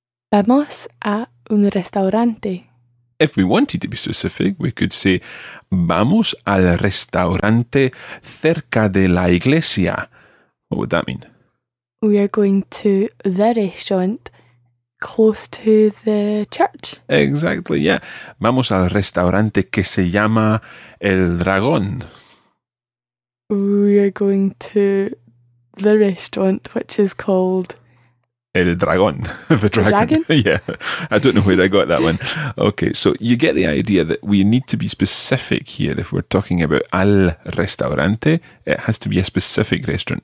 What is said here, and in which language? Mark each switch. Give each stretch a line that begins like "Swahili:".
Spanish: Vamos a un restaurante.
English: If we wanted to be specific, we could say,
Spanish: vamos al restaurante cerca de la iglesia.
English: What would that mean? We are going to the restaurant close to the church. Exactly, yeah.
Spanish: Vamos al restaurante que se llama El Dragón.
English: We are going to the restaurant which is called El Dragón, the dragon. Dragon? Yeah, I don't know where I got that one. Okay, so you get the idea that we need to be specific here. If we're talking about al restaurante, it has to be a specific restaurant.